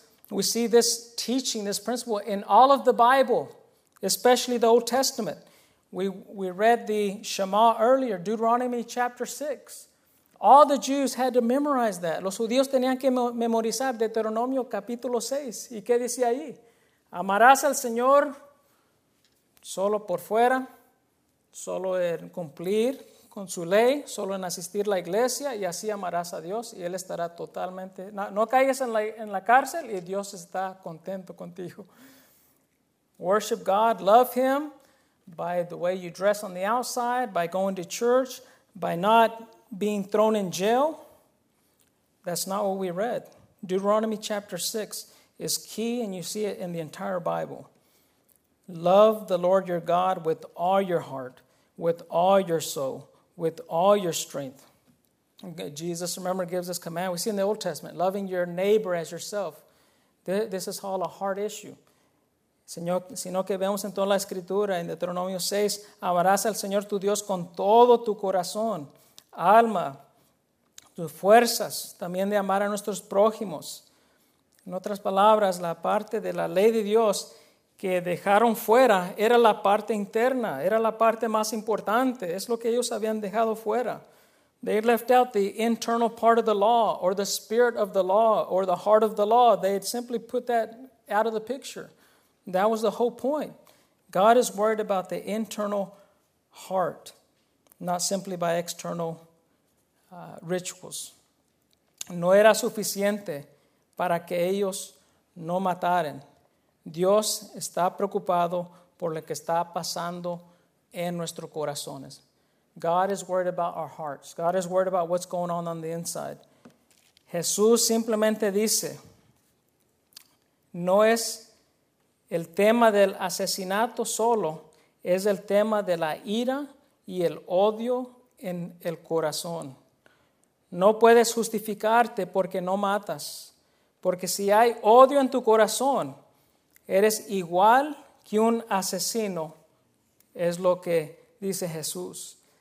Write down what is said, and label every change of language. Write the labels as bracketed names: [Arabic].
[English] We see this teaching, this principle in all of the Bible, especially the Old Testament. We read the Shema earlier, Deuteronomy chapter 6. All the Jews had to memorize that. [Spanish] Los judíos tenían que memorizar Deuteronomio capítulo 6. ¿Y qué dice ahí? Amarás al Señor solo por fuera, solo en cumplir con su ley, solo en asistir a la iglesia, y así amarás a Dios y Él estará totalmente, no caigas en la cárcel y Dios está contento contigo. [English] Worship God, love Him by the way you dress on the outside, by going to church, by not being thrown in jail. That's not what we read. Deuteronomy chapter 6 is key, and you see it in the entire Bible. Love the Lord your God with all your heart, with all your soul, with all your strength. Jesus, remember, gives this command. We see in the Old Testament, loving your neighbor as yourself. This is all a heart issue. [Spanish] Señor, sino que vemos en toda la escritura, en Deuteronomio 6, amarás al Señor tu Dios con todo tu corazón, alma, tus fuerzas, también de amar a nuestros prójimos. En otras palabras, la parte de la ley de Dios que dejaron fuera era la parte interna, era la parte más importante, es lo que ellos habían dejado fuera. [English] They left out the internal part of the law, or the spirit of the law, or the heart of the law. They had simply put that out of the picture. That was the whole point. God is worried about the internal heart, not simply by external rituals. [Spanish] No era suficiente para que ellos no mataran. Dios está preocupado por lo que está pasando en nuestros corazones. [English] God is worried about our hearts. God is worried about what's going on the inside. [Spanish] Jesús simplemente dice, no es el tema del asesinato solo, es el tema de la ira y el odio en el corazón. No puedes justificarte porque no matas, porque si hay odio en tu corazón, eres igual que un asesino, es lo que dice Jesús.